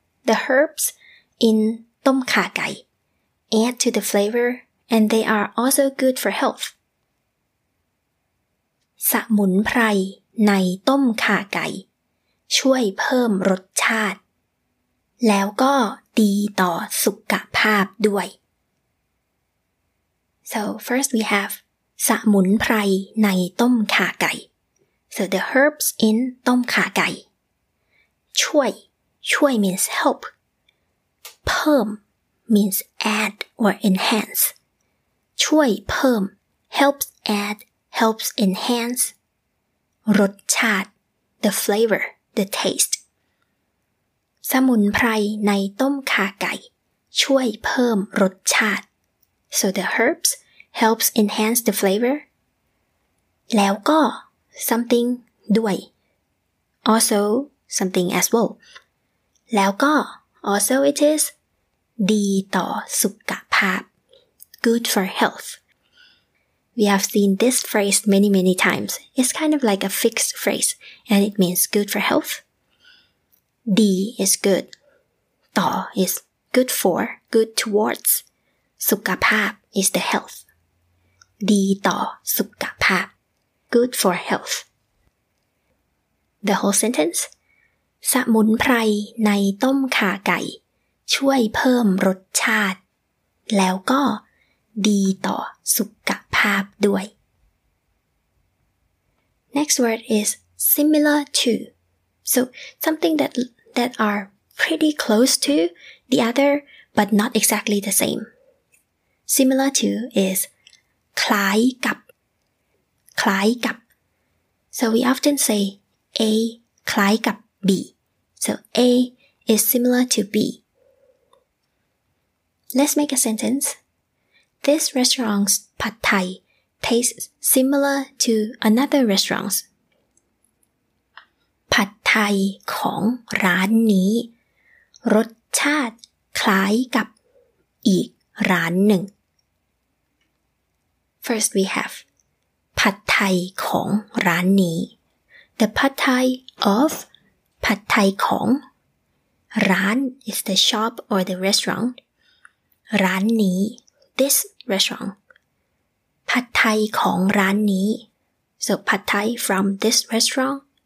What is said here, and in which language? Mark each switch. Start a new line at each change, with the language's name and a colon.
English: The herbs in ต้มข่าไก่ add to the flavor and they are also good for health.
Thai: สมุนไพรในต้มข่าไก่ช่วยเพิ่มรสชาติแล้วก็ดีต่อสุขภาพด้วย
English: So first we have
Thai: สมุนไพรในต้มข่าไก่
English: So the herbs in ต้มข่าไก่
Thai: ช่วยช่วย
English: means help
Thai: เพิ่ม
English: means add or enhance
Thai: ช่วยเพิ่ม
English: helps add helps enhance
Thai: รสชาติ
English: the flavor The taste.
Thai: สมุนไพรในต้มข่าไก่ช่วยเพิ่มรสชาติ
English: So the herbs helps enhance the flavor.
Thai: แล้วก็
English: something
Thai: ด้วย
English: Also something as well.
Thai: แล้วก็
English: also it is
Thai: ดีต่อสุขภาพ
English: Good for health. We have seen this phrase many, many times. It's kind of like a fixed phrase, and it means good for health. D is good. Ta is good for, good towards.
Thai: Sukkapap
English: is the health.
Thai: D ta sukkapap,
English: good for health. The whole sentence.
Thai: สมุนไพรในต้มข่าไก่ช่วยเพิ่มรสชาติแล้วก็ดีต่อสุขภาพด้วย
English: Next word is similar to. So something that are pretty close to the other, but not exactly the same. Similar to is
Thai: คล้ายกับ คล้ายกับ
English: So we often say A
Thai: คล้ายกับ
English: B. So A is similar to B. Let's make a sentence. This restaurant's pad thai tastes similar to another restaurant's.
Thai: ผัดไทยของร้านนี้รสชาติคล้ายกับอีกร้านหนึ่ง
English: First we have
Thai: ผัดไทยของร้านนี้
English: The pad thai of
Thai: ผัดไทยของร้าน
English: is the shop or the restaurant
Thai: ร้านนี้
English: this restaurant
Thai: ผัดไทยของร้านนี้
English: So
Thai: ผัดไทย
English: from this restaurant